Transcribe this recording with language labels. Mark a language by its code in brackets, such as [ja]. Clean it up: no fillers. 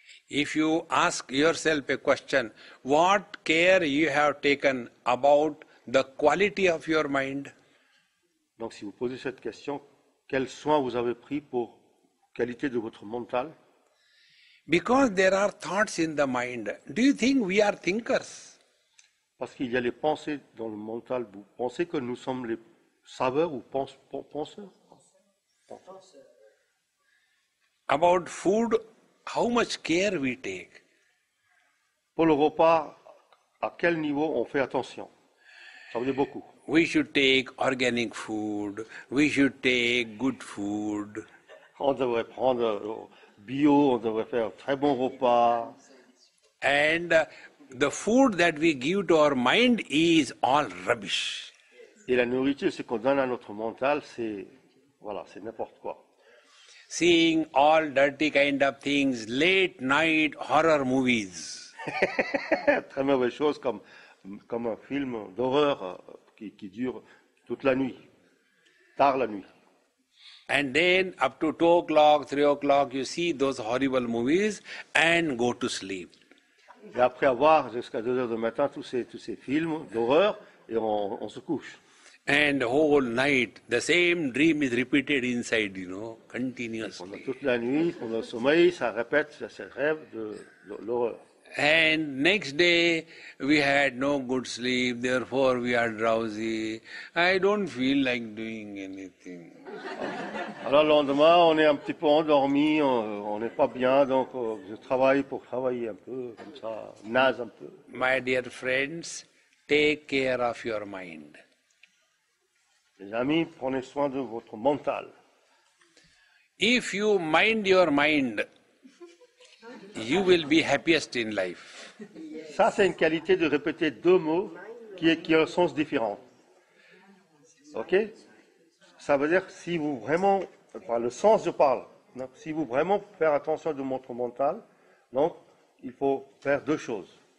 [en] If you ask yourself a question, what care you have taken about the quality of your mind? [fr] Donc si vous posez cette question, quel soin vous avez pris pour qualité de votre mental? [en] Because there are thoughts in the mind. Do you think we are thinkers? [fr] Parce qu'il y a les pensées dans le mental. Vous pensez que nous sommes les saveurs ou penseurs? [en] About food, how much care we take? [fr] Pour le repas, à quel niveau on fait attention? Ça veut dire beaucoup. [en] We should take organic food. We should take good food. [fr] On devrait prendre bio, on devrait faire très bon repas. [en] And the food that we give to our mind is all rubbish. [fr] Et la nourriture, ce qu'on donne à notre mental, c'est, voilà, c'est n'importe quoi. [en] Seeing all dirty kind of things, late night horror movies. [fr] Très mauvaise chose comme un film d'horreur qui dure toute la nuit, tard la nuit. [en] And then up to 2 o'clock, 3 o'clock, you see those horrible movies and go to sleep. [fr] Et après avoir jusqu'à 2 heures du matin tous ces films d'horreur, et on se couche. [en] And the whole night, the same dream is repeated inside, you know, continuously. [fr] Pendant toute la nuit, pendant le sommeil, ça répète ce rêve de l'horreur. [en] And next day, we had no good sleep, therefore we are drowsy. I don't feel like doing anything. [fr] Alors le lendemain, on est un petit peu endormi, on n'est pas bien, donc je travaille pour travailler un peu, comme ça, naze un peu. [en] My dear friends, take care of your mind. [fr] Mes amis, prenez soin de votre mental. [en] If you mind your mind, you will be happiest in life. [fr] Ça, c'est une qualité de répéter deux mots qui ont un sens différent. OK? Ça veut dire, si vous vraiment, par le sens je parle, non, si vous vraiment faire attention de votre mental, donc, il faut faire deux choses.